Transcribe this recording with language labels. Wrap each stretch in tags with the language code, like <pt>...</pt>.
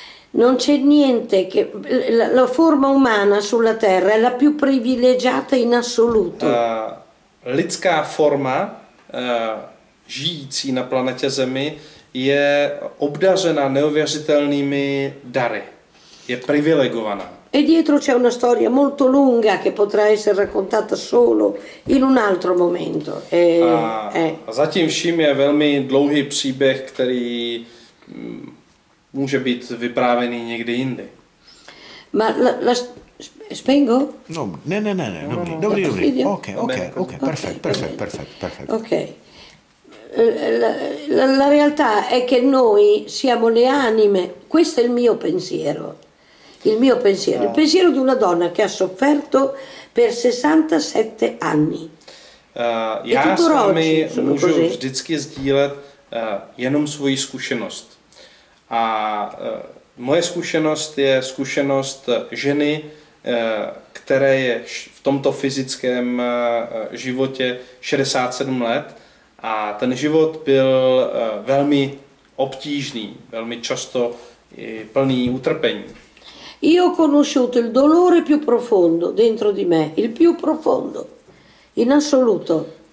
<it>Non c'è niente che la forma umana sulla Terra è la più privilegiata in assoluto.</it> <cs>Lidská forma žijící na planetě Zemi je obdařena neuvěřitelnými dary. Je privilegovaná.</cs> <it>E dietro c'è una storia molto lunga che potrà essere raccontata solo in un altro momento.</it> <cs>Zatím vším je velmi dlouhý příběh, který může být vyprávěný někdy jindy.</cs> <it>Ma la spengo?</it> <cs>No, ne. Dobrý. Ok, perfect. Ok.</cs> <it>La realtà è che noi siamo le anime. Questo è il mio pensiero. Il pensiero di una donna che ha sofferto per 67 anni.</it> <cs>Já s vámi můžu vždycky sdílet jenom svoji zkušenost. A moje zkušenost je zkušenost ženy, které je v tomto fyzickém životě 67 let a ten život byl velmi obtížný, velmi často plný utrpení.</cs> <it>Io ho conosciuto il dolore più profondo dentro di me, il più profondo, in assoluto.</it>